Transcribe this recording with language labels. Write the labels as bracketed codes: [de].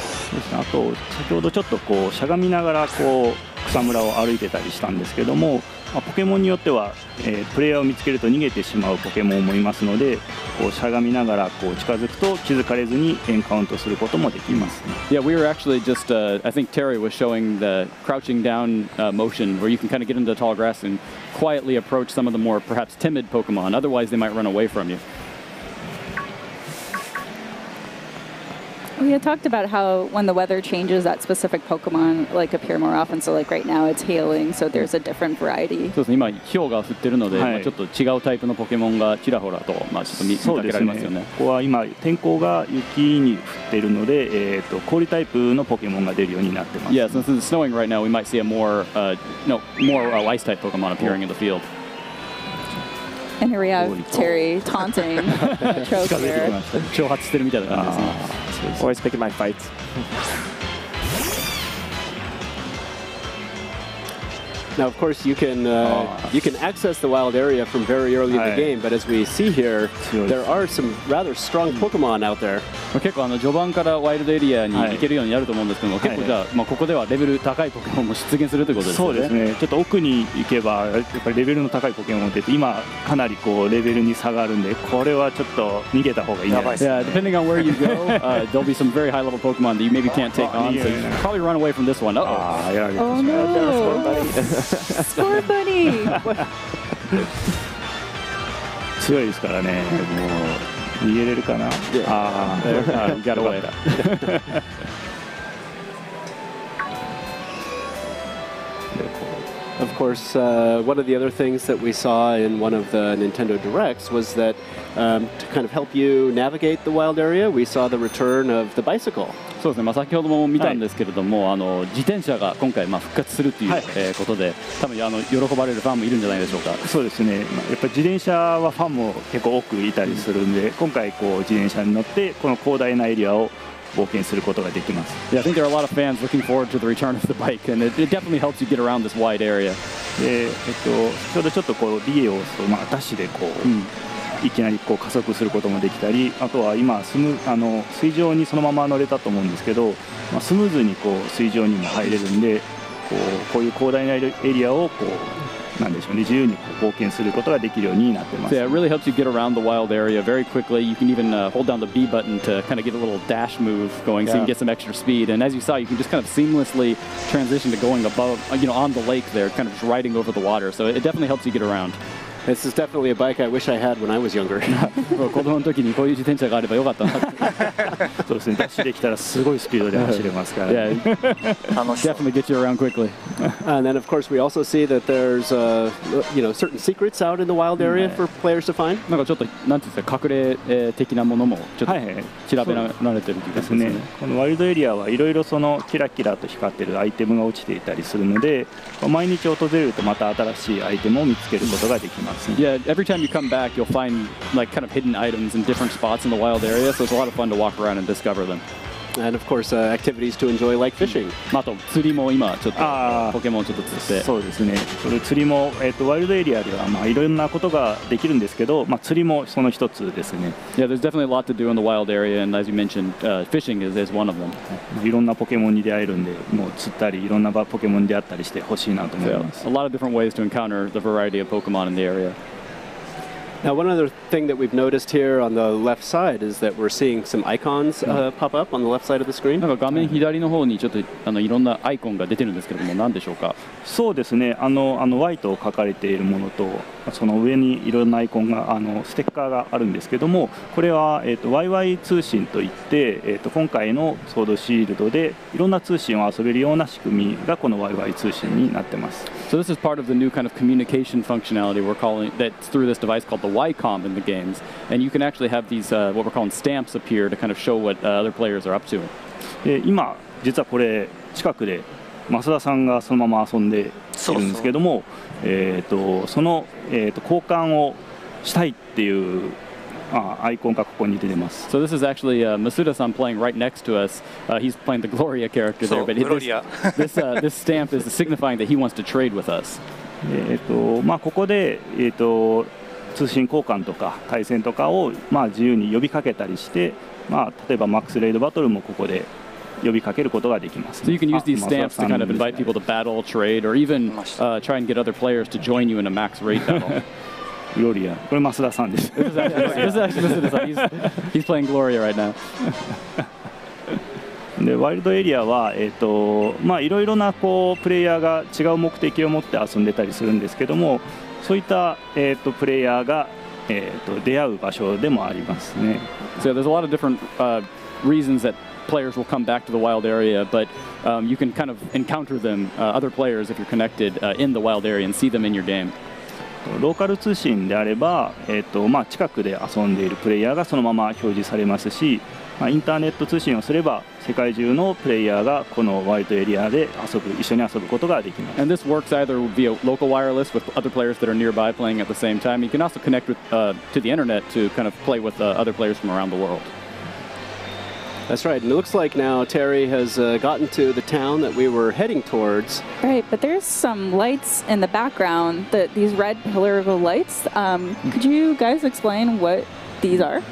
[ja] あと先ほどちょっとこうしゃがみながらこう草むらを歩いてたりしたんですけども、ポケモンによっては、プレイヤーを見つけると逃げてしまうポケモンもいますので、こうしゃがみながらこう近づくと気づかれずにエンカウントすることもできます、 [en] ね、Yeah, we were actually just, I think Terry was showing the crouching down motion where you can kind of get into the tall grass and quietly approach some of the more perhaps timid Pokemon, otherwise they might run away from you. We had talked about how when the weather changes that specific Pokemon like appear more often, so like right now it's hailing, so there's a different variety. [ja] そうですね、今氷が降ってるので、はい、まあ、ちょっと違うタイプのポケモンがちらほらと、まあ、ちょっと見かけられますよね。ここは今天候が雪に降ってるので、氷タイプのポケモンが出るようになってます。 [en] Yeah, so since it's snowing right now, we might see a more, ice type Pokemon appearing in the field. And here we have Terry taunting the Choker. [ja] 近づいてきました。挑発してるみたいな感じですね。 [en] Always picking my fights. Now, of course, you can, you can access the wild area from very early in the game, but as we see here, there are some rather strong Pokemon out there. [ja] 結構あの序盤からワイルドエリアに行けるようになると思うんですけども、結構じゃあ、まあ、ここではレベル高いポケモンも出現するということですね。そうですね。ちょっと奥に行けばやっぱりレベルの高いポケモン出て、今かなりこうレベルに差があるんで、これはちょっと逃げた方がいいんじゃないですか。 [en] Yeah, depending on where you go, there'll be some very high level Pokemon that you maybe can't take on, so you probably run away from this one. Uh-oh. Yeah, I guess. Oh no. Score buddy. [ja] 強いですからね。もう逃げれるかな。ああ、ギャルワイだ。 [en] Of course, one of the other things that we saw in one of the Nintendo Directs was that, to kind of help you navigate the wild area, we saw the return of the bicycle. [ja] そうですね、まあ、先ほども見たんですけれども、はい、あの自転車が今回、まあ、復活するという、はい、ことで、多分あの喜ばれるファンもいるんじゃないでしょうか。そうですね、まあ、やっぱり自転車はファンも結構多くいたりするんで、今回こう自転車に乗ってこの広大なエリアを冒険することができます。 [en] Yeah, I think there are a lot of fans looking forward to the return of the bike, and it definitely helps you get around this wide area. [ja] で、ちょうどちょっとこうリエを押すと、まあ、ダッシュでこう、うん、いきなりこう加速することもできたり、あとは今スムあの水上にそのまま乗れたと思うんですけど、まあ、スムーズにこう水上にも入れるんで、こういう広大なエリアをこうなんでしょうね、自由に冒険することができるようになってます。 [en] Yeah, it really helps you get around the wild area very quickly. You can even, hold down the B button to kind of get a little dash move going, so you can get some extra speed. And as you saw, you can just kind of seamlessly transition to going above, you know, on the lake there, kind of just riding over the water. So it definitely helps you get around. This is definitely a bike I wish I had when I was younger. [ja] 子供の時にこういう自転車があればよかったな。そうですね、ダッシュできたらすごいスピードで走れますから、ね。 [en] Yeah. [ja] 楽しそう。 [en] Definitely get you around quickly. And then of course we also see that there's, you know, certain secrets out in the wild area for players to find. [ja] なんかちょっとなんていうんですか、隠れ的なものもちょっと調べられてる気がしますね。このワイルドエリアはいろいろそのキラキラと光ってるアイテムが落ちていたりするので、毎日訪れるとまた新しいアイテムを見つけることができます。 [en] Yeah, every time you come back, you'll find like kind of hidden items in different spots in the wild area. So it's a lot of fun to walk around and discover them. And of course, activities to enjoy, like fishing. [ja] あと釣りも今ちょっとポケモンちょっと釣って。そうですね。それ釣りも、ワイルドエリアではまあいろんなことができるんですけど、まあ釣りもその一つですね。 [en] Yeah, there's definitely a lot to do in the wild area, and as you mentioned, fishing is one of them. [ja] いろんなポケモンに出会えるんで、もう釣ったりいろんなポケモンに出会ったりしてほしいなと思います。 [en] So, a lot of different ways to encounter the variety of Pokemon in the area. Now, one other thing that we've noticed here on the left side is that we're seeing some icons pop up on the left side of the screen. [ja] なんか画面左の方にちょっとあのいろんなアイコンが出てるんですけども、何でしょうか？そうですね。あのワイトを書かれているものと、その上にいろんなアイコンが、あのステッカーがあるんですけども、これは、YY 通信といって、今回のソードシールドでいろんな通信を遊べるような仕組みがこの YY 通信になってます。 [en] So this is part of the new kind of communication functionality we're calling that's through this device called the YCOM in the games, and you can actually have these, what we're calling stamps appear to kind of show what, other players are up to. [ja] 今実はこれ近くで増田さんがそのまま遊んでいるんですけども、その、交換をしたいっていうアイコンがここに出てます。 [en] So this is actually, Masuda-san playing right next to us. He's playing the Gloria character there, but this stamp is signifying that he wants to trade with us. [ja] まあ、ここで、通信交換とか対戦とかを、まあ、自由に呼びかけたりして、まあ、例えばマックスレイドバトルもここで呼びかけることができます。 [en] So you can use these stamps to kind of invite people to battle, trade, or even、try and get other players to join you in a max raid battle. [ja] Gloria. これ増田さんです。 [en] This is actually 増田さん。He's playing Gloria right now. [ja] でワイルドエリアは、いろいろなこうプレイヤーが違う目的を持って遊んでたりするんですけども、そういった、プレイヤーが、出会う場所でもありますね。 [en] So there's a lot of different、reasons that players will come back to the wild area, but、you can kind of encounter them,、other players if you're connected、in the wild area and see them in your game. [ja] ローカル通信であれば、近くで遊んでいるプレイヤーがそのまま表示されますし、インターネット通信をすれば世界中のプレイヤーがこのワイルドエリアで一緒に遊ぶことができます。 [en] And this works either via local wireless with other players that are nearby playing at the same time. You can also connect with,、to the internet to kind of play with、other players from around the world. That's right. And it looks like now Terry has、gotten to the town that we were heading towards. Right. But there's some lights in the background, these red pillar of lights.、could you guys explain what these are?